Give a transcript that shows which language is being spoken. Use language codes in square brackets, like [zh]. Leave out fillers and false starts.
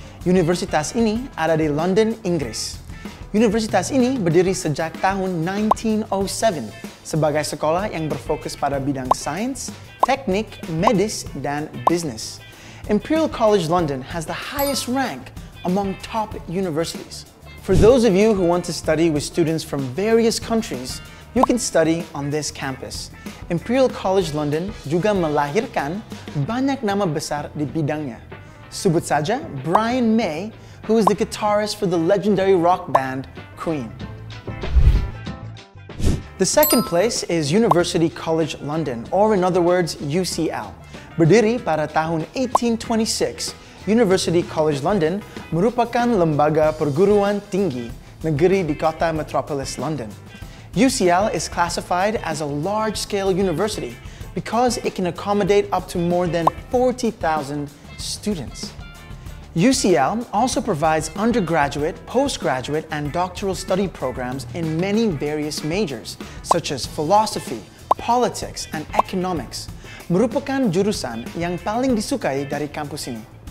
[id] Universitas ini ada di London, Inggris. Universitas ini berdiri sejak tahun 1907 sebagai sekolah yang berfokus pada bidang sains, teknik, medis, dan bisnis. [en] Imperial College London has the highest rank among top universities. For those of you who want to study with students from various countries, you can study on this campus. [id] Imperial College London juga melahirkan banyak nama besar di bidangnya. Sebut saja [en] Brian May, who is the guitarist for the legendary rock band Queen. The second place is University College London, or in other words, UCL. [id] Berdiri pada tahun 1826, University College London merupakan lembaga perguruan tinggi negeri di kota metropolis London. [en] UCL is classified as a large-scale university because it can accommodate up to more than 40,000 students. UCL also provides undergraduate, postgraduate, and doctoral study programs in many various majors, such as philosophy, politics, and economics. [id] Merupakan jurusan yang paling disukai dari kampus ini.